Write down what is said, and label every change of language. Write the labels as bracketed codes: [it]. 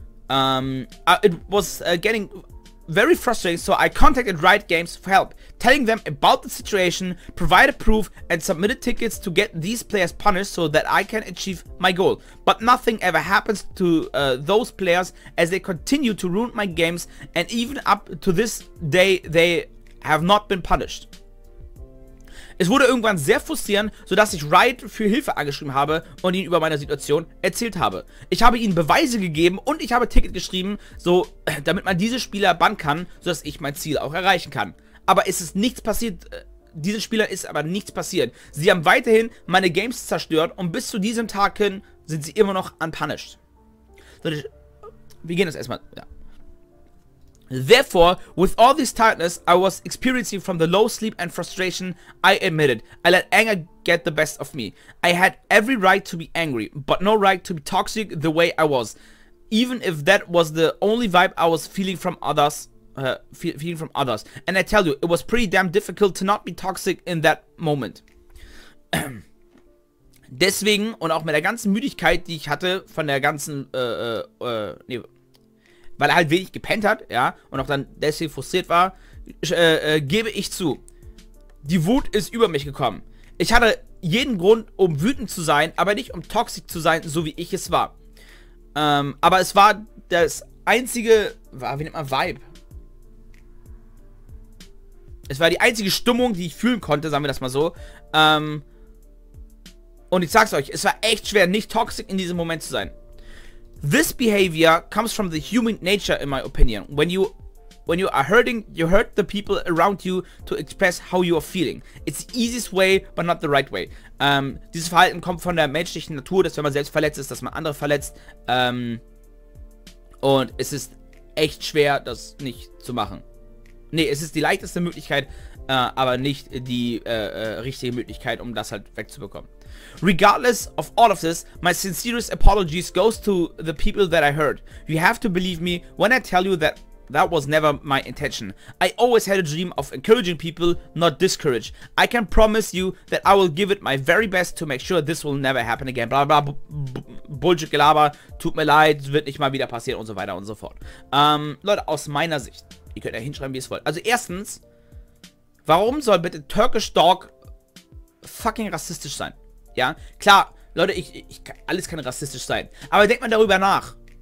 [en] It was getting very frustrating, so I contacted Riot Games for help, telling them about the situation, provided proof and submitted tickets to get these players punished so that I can achieve my goal. But nothing ever happens to those players as they continue to ruin my games and even up to this day they have not been punished. [de] Es wurde irgendwann sehr frustrierend, sodass ich Riot für Hilfe angeschrieben habe und ihn über meine Situation erzählt habe. Ich habe ihnen Beweise gegeben und ich habe Ticket geschrieben, so damit man diese Spieler bannen kann, sodass ich mein Ziel auch erreichen kann. Aber es ist nichts passiert. Diesen Spielern ist aber nichts passiert. Sie haben weiterhin meine Games zerstört und bis zu diesem Tag hin sind sie immer noch unpunished. So, wir gehen das erstmal. Ja. [en] Therefore, with all this tiredness I was experiencing from the low sleep and frustration, I admitted, I let anger get the best of me. I had every right to be angry, but no right to be toxic the way I was, even if that was the only vibe I was feeling from others. And I tell you, it was pretty damn difficult to not be toxic in that moment. [de] Deswegen, und auch mit der ganzen Müdigkeit, die ich hatte, von der ganzen, weil er halt wenig gepennt hat, ja, und auch dann deswegen frustriert war, gebe ich zu. Die Wut ist über mich gekommen. Ich hatte jeden Grund, um wütend zu sein, aber nicht um toxisch zu sein, so wie ich es war. Aber es war das einzige, wie nennt man Vibe? Es war die einzige Stimmung, die ich fühlen konnte, sagen wir das mal so. Und ich sag's euch, es war echt schwer, nicht toxisch in diesem Moment zu sein. [en] This behavior comes from the human nature, in my opinion. When you are hurting, you hurt the people around you to express how you are feeling. It's the easiest way, but not the right way. [de] Dieses Verhalten kommt von der menschlichen Natur, dass wenn man selbst verletzt ist, dass man andere verletzt. Und es ist echt schwer, das nicht zu machen. Nee, es ist die leichteste Möglichkeit, aber nicht die richtige Möglichkeit, um das halt wegzubekommen. [en] Regardless of all of this, my sincerest apologies goes to the people that I hurt. You have to believe me when I tell you that that was never my intention. I always had a dream of encouraging people, not discourage. I can promise you that I will give it my very best to make sure this will never happen again. [de] Blah, blah, blah, Bullshit, Gelaber, tut mir leid, wird nicht mal wieder passieren und so weiter und so fort. Leute, aus meiner Sicht, ihr könnt ja hinschreiben, wie ihr es wollt. Also erstens, warum soll bitte [en] Turkish Dog [de] fucking rassistisch sein? Ja, klar, Leute, ich kann, alles kann rassistisch sein. Aber denkt man darüber nach.